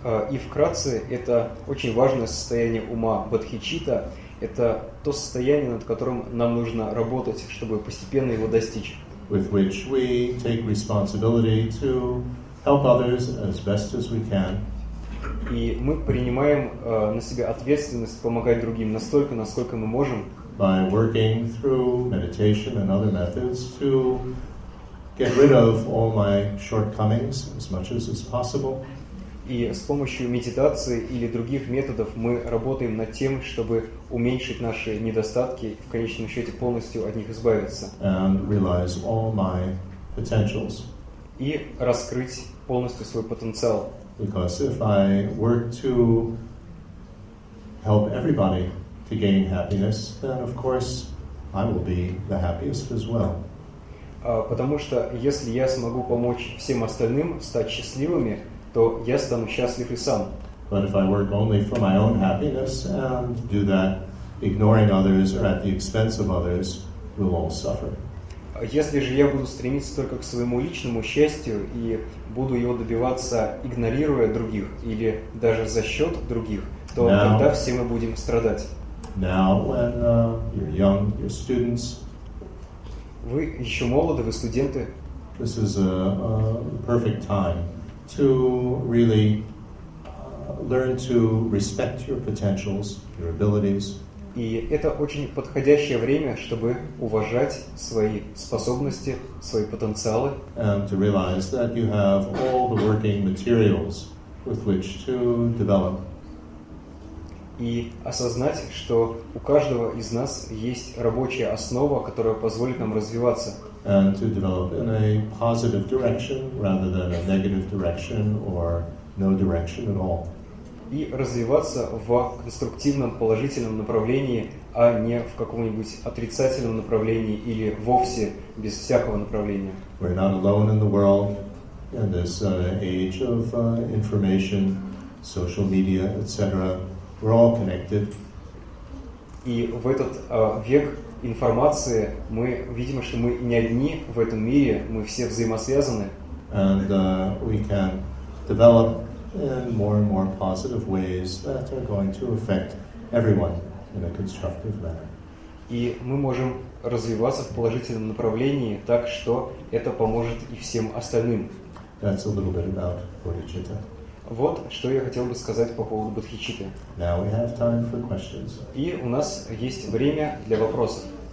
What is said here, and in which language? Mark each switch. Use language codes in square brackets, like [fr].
[ru] И вкратце, это очень важное состояние ума бодхичитта. Это то состояние, над которым нам нужно работать, чтобы постепенно его достичь. [en] With which we take responsibility to help others as best as we can. [ru] И мы принимаем на себя ответственность помогать другим настолько, насколько мы можем. [en] By working through meditation and other methods to get rid of all my shortcomings as much as is possible. [ru] И с помощью медитации или других методов мы работаем над тем, чтобы уменьшить наши недостатки, в конечном счете полностью от них избавиться. [en] And realize all my potentials. [ru] И раскрыть полностью свой потенциал. [en] Because if I work to help everybody to gain happiness, then of course I will be the happiest as well. [ru] Потому что если я смогу помочь всем остальным стать счастливыми, то я стану счастлив и сам. [en] But if I work only for my own happiness and do that, ignoring others or at the expense of others, we'll all suffer. [ru] Если же я буду стремиться только к своему личному счастью и буду его добиваться, игнорируя других или даже за счет других, то [en] now, [ru] тогда все мы будем страдать. [en] Now, when you're young, you're students, [ru] вы еще молоды, вы студенты. [en] This is a perfect time to really learn to respect your potentials, your abilities. [ru] И это очень подходящее время, чтобы уважать свои способности, свои потенциалы. [en] And to realize that you have all the working materials with which to develop. [ru] И осознать, что у каждого из нас есть рабочая основа, которая позволит нам развиваться. [en] And to develop in a positive direction rather than a negative direction or no direction at all. [ru] И развиваться в конструктивном, положительном направлении, а не в каком-нибудь отрицательном направлении или вовсе без всякого направления. [en] We're not alone in the world, in this age of information, social media, etc. We're all connected. [ru] И в этот век информации мы видим, что мы не одни в этом мире, мы все взаимосвязаны. [en] And we can develop in more and more positive ways that are going to affect everyone in a constructive manner. [ru] и мы можем развиваться в положительном направлении, так что это поможет и всем остальным. [en] That's a little bit about bodhicitta. [ru] Вот что я хотел бы сказать по поводу бодхичитты. [en] Now we have time for questions. [ru] И у нас есть время для вопросов.